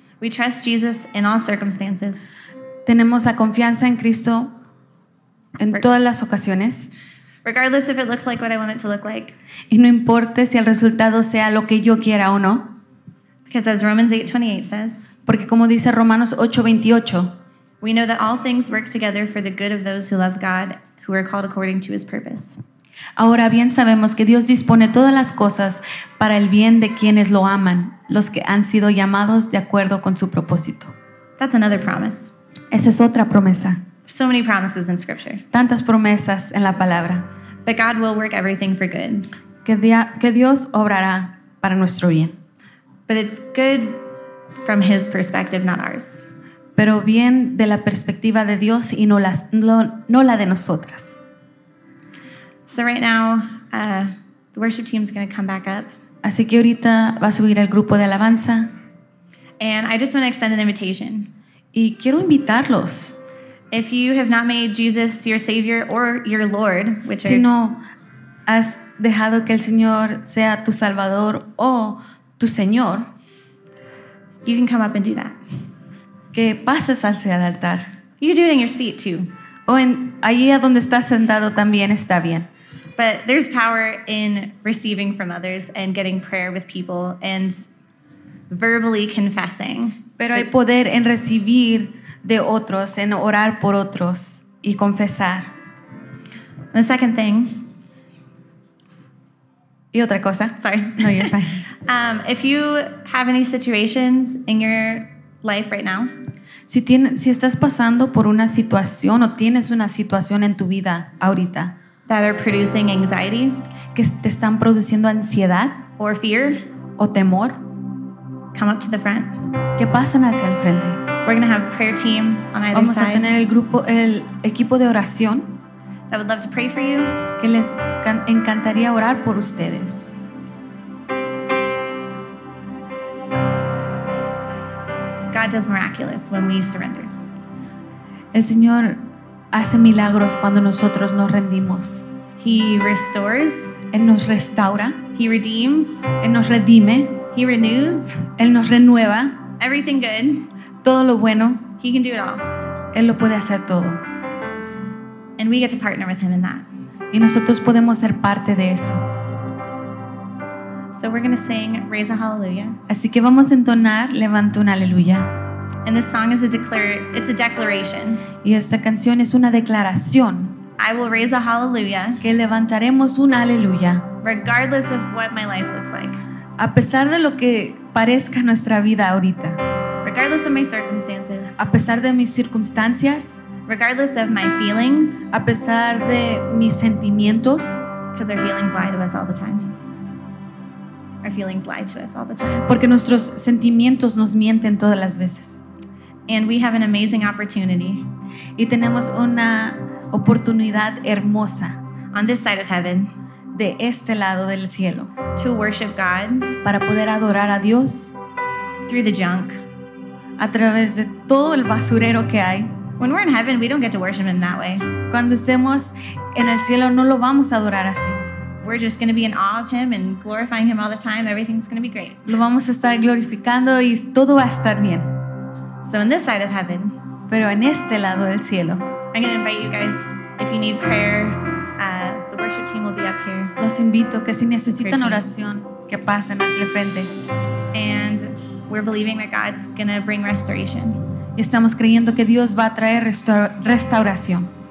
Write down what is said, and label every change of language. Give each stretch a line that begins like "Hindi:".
English: We trust Jesus in all circumstances.
Spanish: Tenemos la confianza en Cristo en todas las ocasiones.
English: Regardless if it looks like what I want it to look like.
Spanish: Y no importa si el resultado sea lo que yo quiera o no.
English: Because as Romans 8:28 says.
Spanish: Porque como dice Romanos 8:28.
English: We know that all things work together for the good of those who love God, who are called according to his purpose.
Spanish: Ahora bien sabemos que Dios dispone todas las cosas para el bien de quienes lo aman, los que han sido llamados de acuerdo con su propósito.
English: That's another promise.
Spanish: Esa es otra promesa.
English: So many promises in scripture.
Spanish: Tantas promesas en la palabra.
English: But God will work everything for good.
Spanish: Que Dios obrará para nuestro bien.
English: But it's good from his perspective, not ours.
Spanish: Pero bien de la perspectiva de Dios y no la de nosotras.
English: So right now, the worship team is going to come back up.
Spanish: Así que ahorita va a subir el grupo de alabanza.
English: And I just want to extend an invitation.
Spanish: Y quiero invitarlos.
English: If you have not made Jesus your Savior or your Lord, which
Spanish: si no has dejado que el Señor sea tu Salvador o tu Señor,
English: you can come up and do that.
Spanish: Que pases hacia el altar.
English: You can do it in your seat too.
Spanish: O en allí a donde estás sentado también está bien.
English: But there's power in receiving from others and getting prayer with people and verbally confessing.
Spanish: Pero hay poder en recibir de otros, en orar por otros y confesar.
English: The second thing.
Spanish: Y otra cosa.
English: Sorry. No, you're fine. If you have any situations in your life right now.
Spanish: Si estás pasando por una situación o tienes una situación en tu vida ahorita.
English: That are producing anxiety.
Spanish: Que te están produciendo ansiedad.
English: Or fear.
Spanish: O temor.
English: Come up to the front.
Spanish: Que pasen hacia el frente.
English: We're going to have a prayer team on either
Spanish: Vamos
English: side.
Spanish: Vamos a tener el equipo de oración.
English: That would love to pray for you.
Spanish: Que les encantaría orar por ustedes.
English: God does miraculous when we surrender.
Spanish: El Señor hace milagros cuando nosotros nos rendimos.
English: He restores.
Spanish: Él nos restaura.
English: He redeems.
Spanish: Él nos redime.
English: He renews.
Spanish: Él nos renueva.
English: Everything good.
Spanish: Todo lo bueno.
English: He can do it all.
Spanish: Él lo puede hacer todo.
English: And we get to partner with him in that.
Spanish: Y nosotros podemos ser parte de eso.
English: So we're going to sing Raise a Hallelujah.
Spanish: Así que vamos a entonar Levanta una Aleluya.
English: And this song is it's a declaration.
Spanish: Y esta canción es una declaración.
English: I will raise a hallelujah.
Spanish: Que levantaremos una aleluya.
English: Regardless of what my life looks like.
Spanish: A pesar de lo que parezca nuestra vida ahorita.
English: Regardless of my circumstances.
Spanish: A pesar de mis circunstancias.
English: Regardless of my feelings.
Spanish: A pesar de mis sentimientos.
English: Because our feelings lie to us all the time. Our feelings lie to us all the time.
Spanish: Porque nuestros sentimientos nos mienten todas las veces.
English: And we have an amazing opportunity.
Spanish: Y tenemos una oportunidad hermosa.
English: On this side of heaven.
Spanish: De este lado del cielo.
English: To worship God.
Spanish: Para poder adorar a Dios.
English: Through the junk.
Spanish: A través de todo el basurero que hay.
English: When we're in heaven, we don't get to worship him that way.
Spanish: Cuando estemos en el cielo, no lo vamos a adorar así.
English: we're just going to be in awe of him and glorifying him all the time. Everything's going to be great.
Spanish: Lo vamos a estar glorificando y todo va a estar bien.
English: So on this side of heaven,
Spanish: pero en este lado del cielo,
English: I'm going to invite you guys, if you need prayer, the worship team will be up here.
Spanish: Los invito que si necesitan oración, que pasen hacia frente.
English: And we're believing that God's going to bring restoration.
Spanish: Estamos creyendo que Dios va a traer restauración.